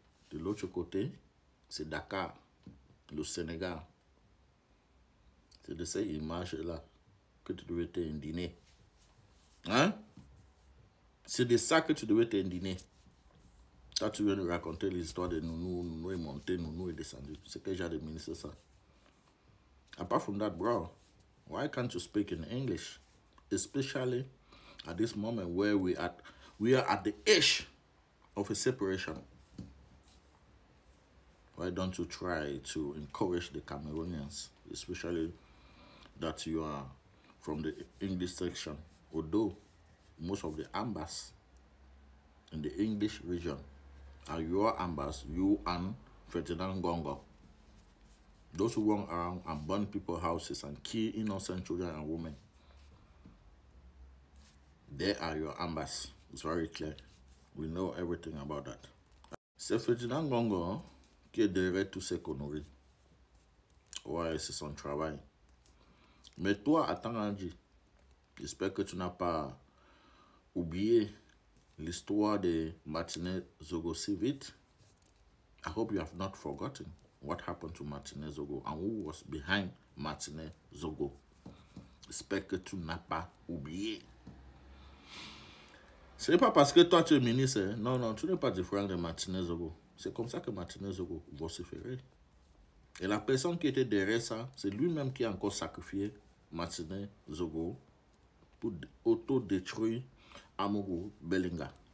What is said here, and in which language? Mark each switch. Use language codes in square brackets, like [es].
[fr] De l'autre côté, c'est Dakar, le Sénégal. C'est de ces images-là que tu devais te indigner. Hein? C'est de ça que tu devais te indigner. Toi, tu viens de raconter l'histoire de nounou, nounou est monté, nounou est descendu. C'est quel genre de ministre, ça? [en] Apart from that, bro, why can't you speak in English? Especially at this moment where we are at the edge of a separation. Why don't you try to encourage the Cameroonians, especially that you are from the English section, although most of the ambas in the English region are your ambas, you and Ferdinand Gongo. Those who run around and burn people's houses and kill innocent children and women. They are your ambas. It's very clear. We know everything about that. [fr] C'est Ferdinand Gongo qui est derrière tous ces conneries. Ouais, c'est son travail. Mais toi, attends, Angie. J'espère que tu n'as pas oublié l'histoire de Martinez Zogo-Civit. [en] I hope you have not forgotten. What happened to Martinez Zogo and who was behind Martinez Zogo? [fr] J'espère que tu n'as pas oublié. Ce n'est pas parce que toi tu es ministre. Hein? Non, non, tu n'es pas différent de Martinez Zogo. C'est comme ça que Martinez Zogo vociférait. Et la personne qui était derrière ça, c'est lui-même qui a encore sacrifié Martinez Zogo pour auto-détruire Amogo Belinga.